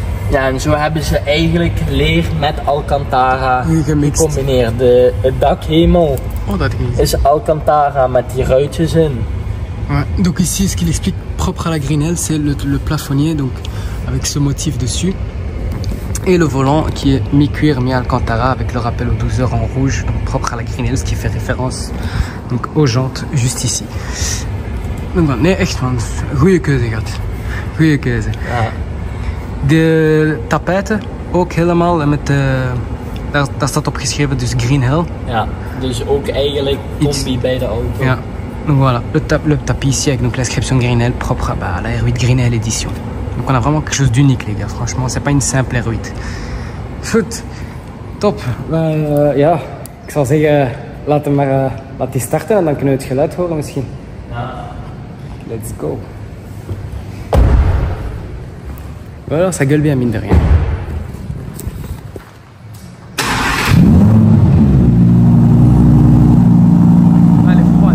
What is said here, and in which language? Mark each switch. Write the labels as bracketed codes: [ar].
[nl] Ja, en zo hebben ze eigenlijk leer met Alcantara gecombineerd. Het dakhemel is Alcantara met die ruitjes in. [fr] Ouais. Donc ici, ce qu'il explique propre à la Green Hell, c'est le plafonnier, donc avec ce motif dessus, et le volant qui est mi-cuir, mi-alcantara, avec le rappel aux 12 heures en rouge, donc propre à la Green Hell, ce qui fait référence donc aux jantes juste ici. Donc voilà, mais [nl] echt man, goeie keuze, gat. Goeie keuze. De tapette, ook helemaal met de. Daar staat opgeschreven, dus Green Hell. Ja, dus ook eigenlijk combi iets bij de auto. Ja. [fr] Donc voilà, le tapis ici avec donc l'inscription Green Hell propre à la R8 Green Hell édition. Donc on a vraiment quelque chose d'unique les gars, franchement, c'est pas une simple R8. [nl] Goed, top. Ja, ik zal zeggen, laat die starten en dan kunnen we het geluid horen misschien. Ja. [en] Let's go. [fr] Voilà, ça gueule bien mine de rien. Allez.